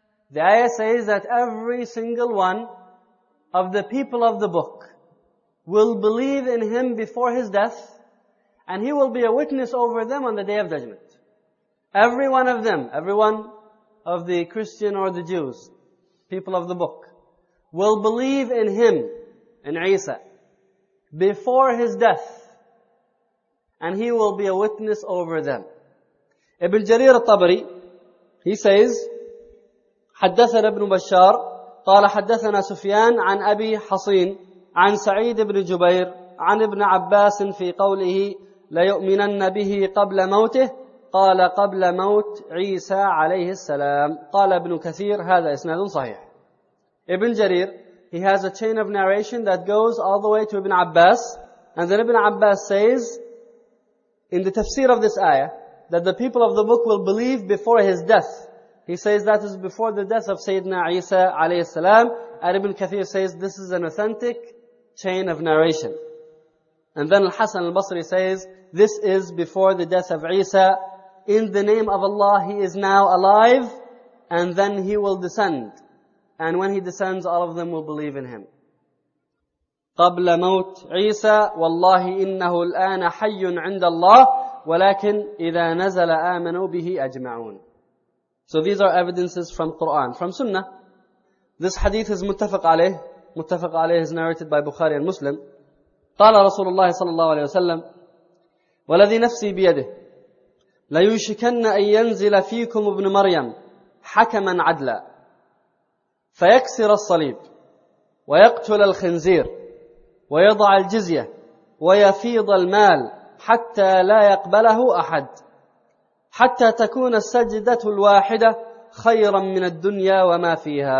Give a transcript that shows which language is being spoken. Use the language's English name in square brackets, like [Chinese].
[English] The ayah says that every single one of the people of the book will believe in him before his death, and he will be a witness over them on the day of judgment. Every one of them, every one of the Christian or the Jews, people of the book, will believe in him, in Isa, before his death, and he will be a witness over them. [Arabic] Ibn Jarir al-Tabari, [English] he says, [Arabic] حدثنا ابن بشار قال حدثنا سفيان عن أبي حصين عن سعيد بن جبير عن ابن عباس في قوله ليؤمنن به قبل موته قال قبل موت عيسى عليه السلام قال ابن كثير هذا إسناد صحيح. [English] Ibn Jarir, he has a chain of narration that goes all the way to Ibn Abbas, and then Ibn Abbas says in the tafsir of this ayah that the people of the book will believe before his death. He says that is before the death of Sayyidina Isa alayhi salam, and Ibn Kathir says this is an authentic chain of narration. And then Al-Hasan al-Basri says this is before the death of Isa. In the name of Allah, he is now alive, and then he will descend. And when he descends, all of them will believe in him. [Arabic] قَبْلَ مَوْتْ عِيسَى وَاللَّهِ إِنَّهُ الْآنَ حَيٌّ عِنْدَ اللَّهِ وَلَكِنْ إِذَا نَزَلَ آمَنُوا بِهِ أَجْمَعُونَ. [English] So these are evidences from Quran, from Sunnah. This hadith is muttafaq alayh. Muttafaq alayh is narrated by Bukhari and Muslim. [Arabic] قال رسول الله صلى الله عليه وسلم وَلَذِي نَفْسِي بِيَدِهِ لَيُشِكَنَّ أَن يَنزِلَ فِيكُمْ ابْنُ مَرْيَمْ حَكَمًا عَدْلًا فيكسر الصليب ويقتل الخنزير ويضع الجزية ويفيض المال حتى لا يقبله أحد حتى تكون السجدة الواحدة خيرا من الدنيا وما فيها.